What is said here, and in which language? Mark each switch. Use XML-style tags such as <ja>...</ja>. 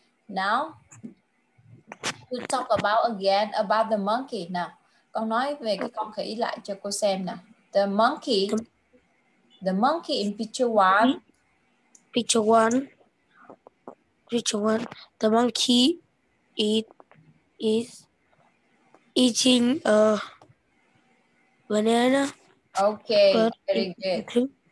<en>Now we talk about again about the monkey.</en> <vi>Now, con nói về cái con khỉ lại cho cô xem nào.</vi> <en>The monkey in picture one. Picture one, the monkey is eating a banana. Okay, very good.</en>